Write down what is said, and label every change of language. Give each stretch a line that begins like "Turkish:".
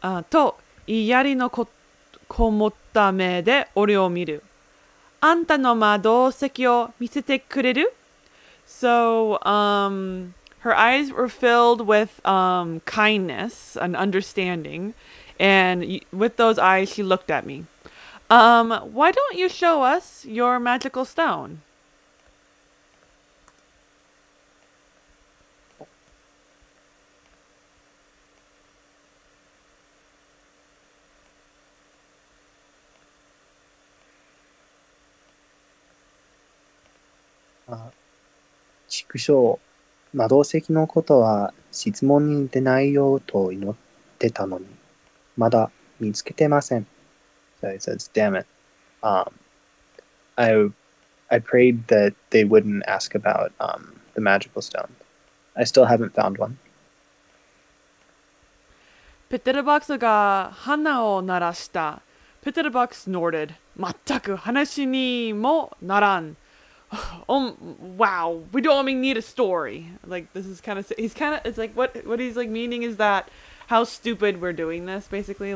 Japanese: と、いやりのこもった目で俺を見る。あんたの魔導石を見せてくれる？
English: So, her eyes were filled with kindness and understanding, and with those eyes she looked at me. Why don't you show us your magical stone?
Japanese: 畜生、魔導石のことは質問に出ないようと祈ってたのに、まだ見つけてません。
English: So he says, damn it. I prayed that they wouldn't ask about the magical stone. I still haven't found one.
Japanese: ペテルボックスが鼻を鳴らした。
English: ペテルボックス snorted.
Japanese: まったく話にもならん。
English: Wow, we don't even need a story. Like, this is kind of, he's kind of, it's like, what he's like meaning is that how stupid we're doing this, basically.